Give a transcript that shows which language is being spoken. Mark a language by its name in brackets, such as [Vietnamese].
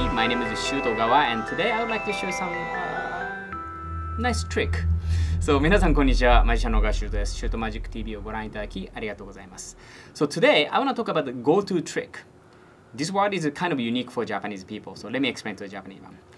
[English] My name is Shoot Ogawa, and today I would like to show some、nice trick. [Japanese] So, 皆さんこんにちは。マジシャンの小川修斗です。 Shoot Magic TV をご覧いただきありがとうございます。 [English] So, today I want to talk about the go-to trick. This word is kind of unique for Japanese people. So, let me explain to the Japanese one.